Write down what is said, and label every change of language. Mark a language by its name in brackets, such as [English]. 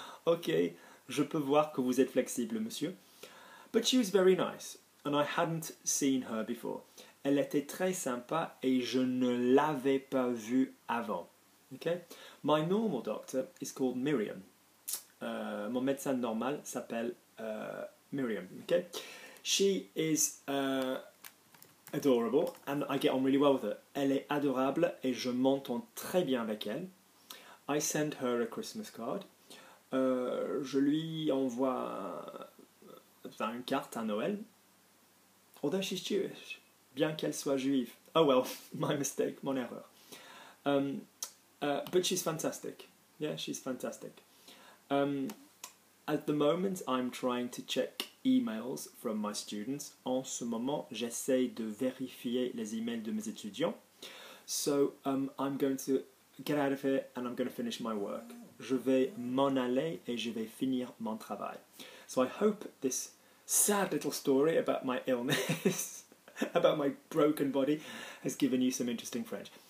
[French] Okay, je peux voir que vous êtes flexible, monsieur. [English] But she was very nice, and I hadn't seen her before. [French] Elle était très sympa, et je ne l'avais pas vue avant. [English] Okay? My normal doctor is called Miriam. [French] Mon médecin normal s'appelle Miriam. [English] Okay? She is adorable, and I get on really well with her. [French] Elle est adorable, et je m'entends très bien avec elle. [English] I send her a Christmas card. [French] Je lui envoie une carte à Noël. [English] Although she's Jewish. [French] Bien qu'elle soit juive. [English] Oh well, my mistake, [French] mon erreur. [English] But she's fantastic. Yeah, she's fantastic. At the moment, I'm trying to check emails from my students. [French] En ce moment, j'essaie de vérifier les emails de mes étudiants. [English] So I'm going to get out of here and I'm going to finish my work. [French] Je vais m'en aller et je vais finir mon travail. [English] So I hope this sad little story about my illness, about my broken body, has given you some interesting French.